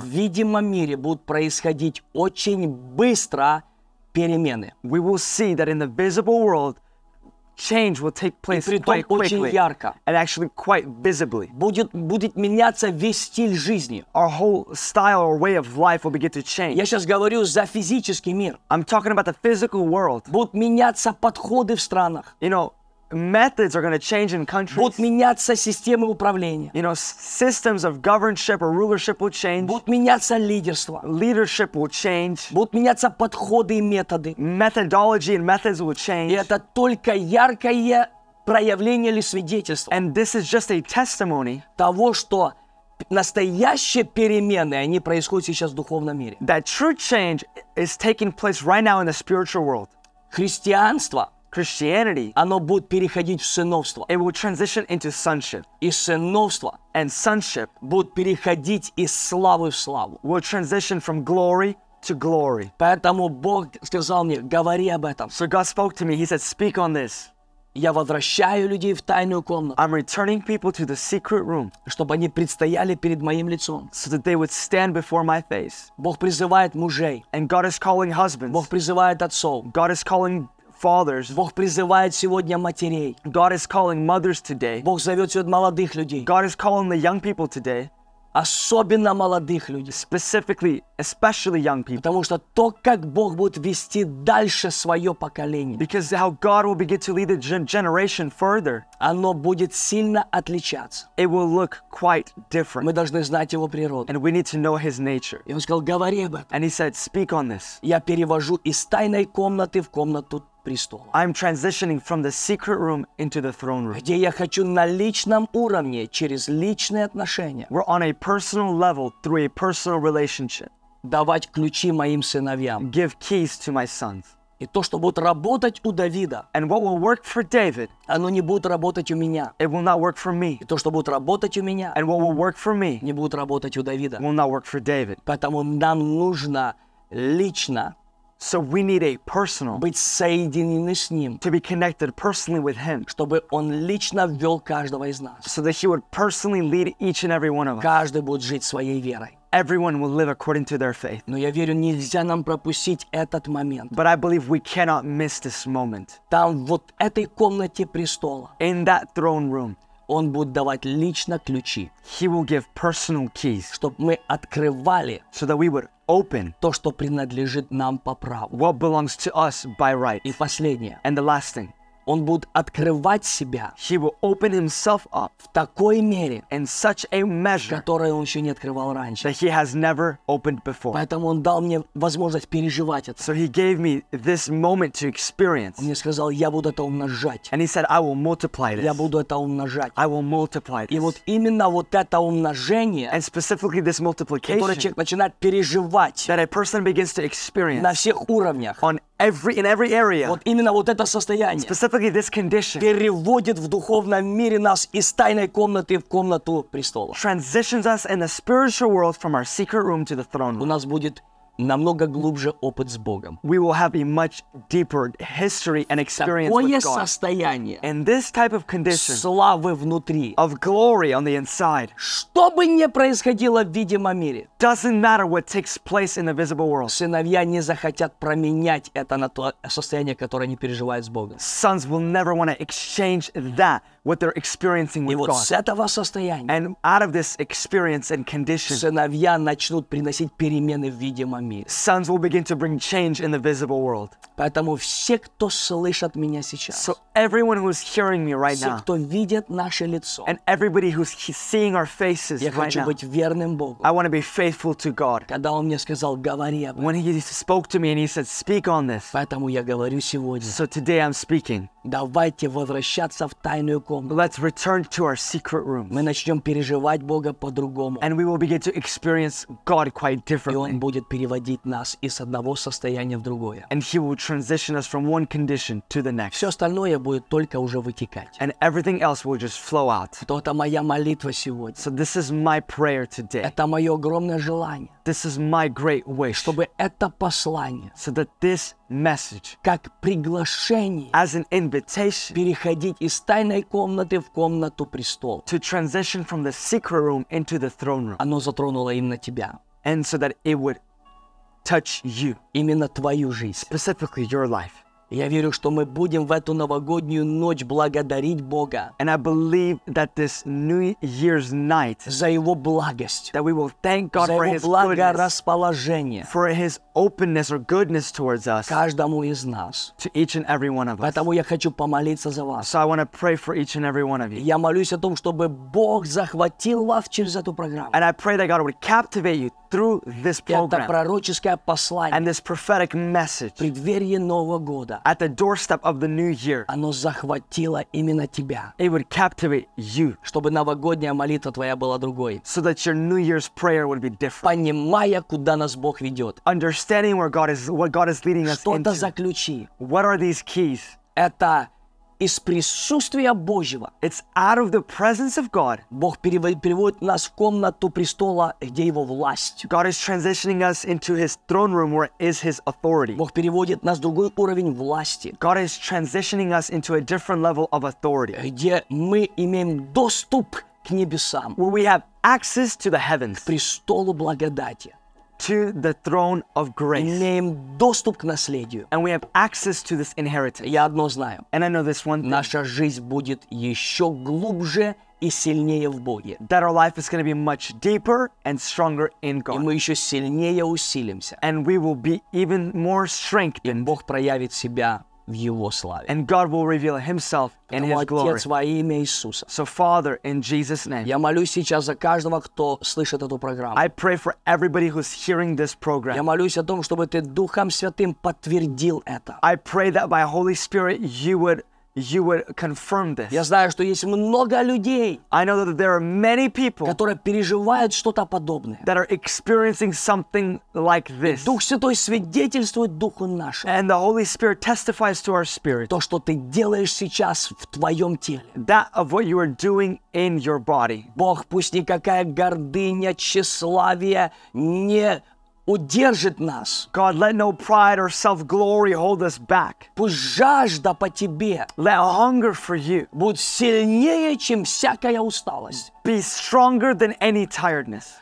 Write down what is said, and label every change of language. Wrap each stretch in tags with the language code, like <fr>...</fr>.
<ru>в видимом мире будут происходить очень быстро перемены,</ru> <en>we will see that in the visible world, change will take place quite quickly and actually quite visibly.</en> <ru>Будет меняться весь стиль жизни.</ru> <en>Our whole style or way of life will begin to change.</en> <ru>Я сейчас говорю за физический мир.</ru> <en>I'm talking about the physical world.</en> <ru>Будут меняться подходы в странах.</ru> <en>You know, methods are going to change in countries.</en> <ru>Будут меняться системы управления.</ru> <en>You know, systems of governorship or rulership will change.</en> <ru>Будут меняться лидерство.</ru> <en>Leadership will change.</en> <ru>Будут меняться подходы и методы.</ru> <en>Methodology and methods will change.</en> <ru>И это только яркое проявление или свидетельство.</ru> <en>And this is just a testimony</en> <ru>того, что настоящие перемены, они происходят сейчас в духовном мире.</ru> <en>That true change is taking place right now in the spiritual world.</en> <ru>Христианство.</ru> <en>Christianity,</en> <ru>оно будет переходить в сыновство.</ru> <en>It will transition into sonship.</en> <ru>И сыновство,</ru> <en>and sonship,</en> <ru>будет переходить из славы в славу.</ru> <en>Will transition from glory to glory.</en> <ru>Поэтому Бог сказал мне, говори об этом.</ru> <en>So God spoke to me. He said, speak on this.</en> <ru>Я возвращаю людей в тайную комнату.</ru> <en>I'm returning people to the secret room.</en> <ru>Чтобы они предстояли перед моим лицом.</ru> <en>So that they would stand before my face.</en> <ru>Бог призывает мужей.</ru> <en>And God is calling husbands.</en> <ru>Бог призывает отцов.</ru> <en>God is calling fathers.</en> <ru>Бог призывает сегодня матерей.</ru> <en>God is calling mothers today.</en> <ru>Бог зовет сегодня молодых людей.</ru> <en>God is calling the young people today.</en> <ru>Особенно молодых людей.</ru> <en>Specifically, especially young people.</en> <ru>Потому что то, как Бог будет вести дальше свое поколение.</ru> <en>Because how God will begin to lead the generation further.</en> <ru>Оно будет сильно отличаться.</ru> <en>It will look quite different.</en> <ru>Мы должны знать его природу.</ru> <en>And we need to know his nature.</en> <ru>И он сказал, говори об этом.</ru> <en>And he said, speak on this.</en> <ru>Я перевожу из тайной комнаты в комнату престола.</ru> <en>I'm transitioning from the secret room into the throne room.</en> <ru>Где я хочу на личном уровне через личные отношения.</ru> <en>We're on a personal level through a personal relationship.</en> <ru>Давать ключи моим сыновьям.</ru> <en>Give keys to my sons.</en> <ru>И то, что будет работать у Давида,</ru> <en>and what will work for David,</en> <ru>оно не будет работать у меня.</ru> <en>It will not work for me.</en> <ru>И то, что будет работать у меня,</ru> <en>and what will work for me,</en> <ru>не будет работать у Давида.</ru> <en>Will not work for David.</en> <ru>Поэтому нам нужно лично,</ru> <en>so we need a personal,</en> <ru>быть соединены с ним,</ru> <en>to be connected personally with him,</en> <ru>чтобы он лично вел каждого из нас,</ru> <en>so that he would personally lead each and every one of us.</en> <ru>Каждый будет жить своей верой.</ru> <en>Everyone will live according to their faith.</en> <ru>Но я верю, нельзя нам пропустить этот момент.</ru> <en>But I believe we cannot miss this moment.</en> <ru>Там, вот этой комнате престола,</ru> <en>in that throne room,</en> <ru>он будет давать лично ключи.</ru> <en>He will give personal keys.</en> <ru>Чтоб мы открывали,</ru> <en>so that we would open,</en> <ru>то, что принадлежит нам по праву.</ru> <en>What belongs to us by right.</en> <ru>И последнее.</ru> <en>And the last thing.</en> <ru>Он будет открывать себя,</ru> <en>he will open himself up,</en> <ru>в такой мере,</ru> <en>in such a measure,</en> <ru>которую он еще не открывал раньше,</ru> <en>that he has never opened before.</en> <ru>Поэтому он дал мне возможность переживать это.</ru> <en>So he gave me this moment to experience.</en> <ru>Он мне сказал, я буду это умножать.</ru> <en>And he said, I will multiply this.</en> <ru>Я буду это умножать.</ru> <en>I will multiply this.</en> <ru>И вот именно вот это умножение,</ru> <en>and specifically this multiplication,</en> <ru>которое человек начинает переживать,</ru> <en>that a person begins to experience,</en> <ru>на всех уровнях,</ru> <en>on every, in every area,</en> <ru>вот именно вот это состояние,</ru> <en>specifically this condition,</en> <ru>переводит в духовном мире нас из тайной комнаты в комнату престола,</ru> <en>transitions us in the spiritual world from our secret room to the throne room.</en> <ru>У нас будет намного глубже опыт с Богом.</ru> <en>We will have a much deeper history and experience</en> <ru>такое Такое состояние,</ru> <en>and this type of condition,</en> <ru>славы внутри,</ru> <en>of glory on the inside,</en> <ru>что бы ни происходило в видимом мире,</ru> <en>doesn't matter what takes place in the visible world,</en> <ru>сыновья не захотят променять это на то состояние, которое они переживают с Богом.</ru> <en>Sons will never want to exchange that what they're experiencing with</en> <ru>God. И вот с этого состояния,</ru> <en>and out of this experience and condition,</en> <ru>сыновья начнут приносить перемены в видимом.</ru> <en>Sons will begin to bring change in the visible world.</en> <ru>Поэтому все, кто слышат меня сейчас,</ru> <en>so everyone who's hearing me right</en> <ru>все,</ru> <en>now,</en> <ru>кто видит наше лицо,</ru> <en>and everybody who's seeing our faces right now,</en> <ru>я хочу быть верным Богу.</ru> <en>I want to be faithful to God.</en> <ru>Когда он мне сказал, говори об этом.</ru> <en>When he spoke to me and he said, speak on this.</en> <ru>Поэтому я говорю сегодня.</ru> <en>So today I'm speaking.</en> <ru>Давайте возвращаться в тайную комнату.</ru> <en>Let's return to our secret rooms.</en> <ru>Мы начнем переживать Бога по-другому.</ru> <en>And we will begin to experience God quite differently.</en> <ru>И он будет переводить нас из одного состояния в другое.</ru> <en>And he will transition us from one condition to the next.</en> <ru>Все остальное будет только уже вытекать.</ru> <en>And everything else will just flow out.</en> <ru>Это моя молитва сегодня.</ru> <en>So this is my prayer today.</en> <ru>Это мое огромное желание.</ru> <en>This is my great wish.</en> <ru>Чтобы это послание,</ru> <en>so that this message,</en> <ru>как приглашение,</ru> <en>as an invitation,</en> <ru>переходить из тайной комнаты в комнату престола,</ru> <en>to transition from the secret room into the throne room,</en> <ru>оно затронуло именно тебя.</ru> <en>And so that it would touch you.</en> <ru>Именно твою жизнь.</ru> <en>Specifically your life.</en> <ru>Я верю, что мы будем в эту новогоднюю ночь благодарить Бога.</ru> <en>And I believe that this New Year's night,</en> <ru>за его благость,</ru> <en>that we will thank God for his</en> <ru>благорасположение,</ru> <en>for his openness or goodness towards us,</en> <ru>каждому из нас,</ru> <en>to each and every one of us.</en> <ru>Поэтому я хочу помолиться за вас.</ru> <en>So I want to pray for each and every one of you.</en> <ru>Я молюсь о том, чтобы Бог захватил вас через эту программу.</ru> <en>And I pray that God would captivate you through this program.</en> <ru>Это пророческое послание.</ru> <en>And this prophetic message.</en> <ru>В преддверии Нового года.</ru> <en>At the doorstep of the new year,</en> <ru>оно захватило именно тебя.</ru> <en>It would captivate you,</en> <ru>чтобы новогодняя молитва твоя была другой.</ru> <en>So that your New Year's prayer would be different.</en> <ru>Понимая, куда нас Бог ведет.</ru> <en>Understanding where God is, what God is leading</en> <ru>что</ru> <en>us into.</en> <ru>Что за ключи?</ru> <en>What are these keys?</en> <ru>Это из присутствия Божьего.</ru> <en>It's out of the presence of God.</en> <ru>Бог переводит нас в комнату престола, где его власть.</ru> <en>God is transitioning us into his throne room where is his authority.</en> <ru>Бог переводит нас в другой уровень власти.</ru> <en>God is transitioning us into a different level of authority.</en> <ru>Где мы имеем доступ к небесам.</ru> <en>Where we have access to the heavens.</en> <ru>К престолу благодати.</ru> <en>To the throne of grace.</en> <ru>Имеем доступ к наследию.</ru> <en>And we have access to this inheritance.</en> <ru>Я одно знаю.</ru> <en>And I know this one thing.</en> <ru>Наша жизнь будет еще глубже и сильнее в Боге.</ru> <en>That our life is going to be much deeper and stronger in God.</en> <ru>И мы еще сильнее усилимся.</ru> <en>And we will be even more strengthened.</en> <ru>И Бог проявит себя в Его славе.</ru> <en>And God will reveal Himself in His glory.</en> <ru>Отец, во имя Иисуса.</ru> <en>So Father, in Jesus' name.</en> <ru>Я молюсь сейчас за каждого, кто слышит эту программу.</ru> <en>I pray for everybody who's hearing this program.</en> <ru>Я молюсь о том, чтобы ты Духом Святым подтвердил это.</ru> <en>I pray that by Holy Spirit you would confirm this.</en> <ru>Я знаю, что есть много людей,</ru> <en>I know that there are many people,</en> <ru>которые переживают что-то подобное,</ru> <en>that are experiencing something like this.</en> <ru>Дух Святой свидетельствует Духу нашему.</ru> <en>And the Holy Spirit testifies to our spirit.</en> <ru>То, что ты делаешь сейчас в твоем теле.</ru> <en>That of what you are doing in your body.</en> <ru>Бог, пусть никакая гордыня, тщеславие не удержит нас.</ru> <en>God, let no pride or self-glory hold us back.</en> <ru>Пусть жажда по тебе.</ru> <en>Let hunger for you.</en> <ru>Будь сильнее, чем всякая усталость.</ru> <en>Be stronger than any tiredness.</en>